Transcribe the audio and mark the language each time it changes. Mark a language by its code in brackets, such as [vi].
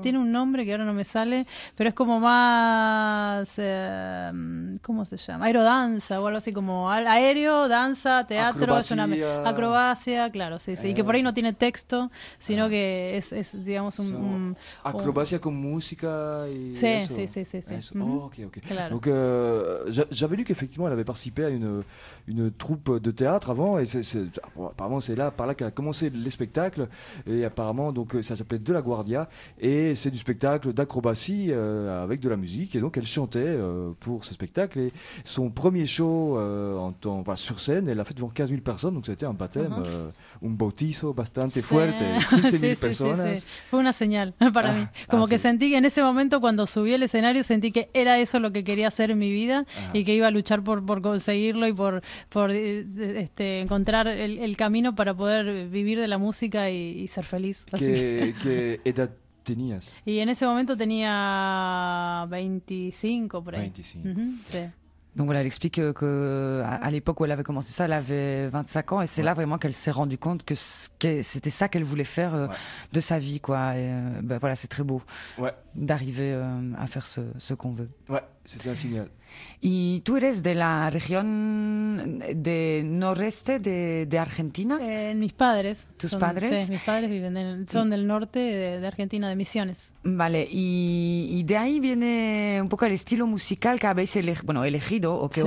[es] Tiene un nombre que ahora no me sale, pero es como más, ¿cómo se llama? Aerodanza o algo así, como aéreo, danza, teatro. Acrobacia, claro, sí. Y que por ahí no tiene texto, sino que es digamos un acrobacia con música y eso. [fr] Donc j'avais lu qu'effectivement elle avait participé à une troupe de théâtre avant, et apparemment c'est là par là qu'elle a commencé les spectacles, et apparemment donc ça s'appelait De la Guardia, et c'est du spectacle d'acrobatie avec de la musique, et donc elle chantait pour ce spectacle, et son premier show sur scène elle l'a fait devant 15 000 personnes, donc c'était un baptême. Uh-huh. [es] Un bautizo bastante fuerte. 15 000 personas. Fue una señal para mí, como que sentí sentí que en ese momento cuando subí al escenario sentí que era eso lo que quería hacer en mi vida. Ajá. Y que iba a luchar por conseguirlo y por encontrar el camino para poder vivir de la música y ser feliz. ¿Qué edad tenías? Y en ese momento tenía 25 por ahí. 25. Uh-huh, sí. [fr] Donc voilà, elle explique qu'à l'époque où elle avait commencé ça, elle avait 25 ans, et c'est ouais. là vraiment qu'elle s'est rendue compte que c'était ça qu'elle voulait faire ouais. de sa vie, quoi. Et ben voilà, c'est très beau ouais. d'arriver à faire ce qu'on veut. Ouais, c'était un signal. [es] Y tú eres de la región de noreste de Argentina. Mis padres. Tus son, padres. Sí, mis padres viven son del norte de Argentina, de Misiones. Vale, y de ahí viene un poco el estilo musical que habéis elegido o que sí.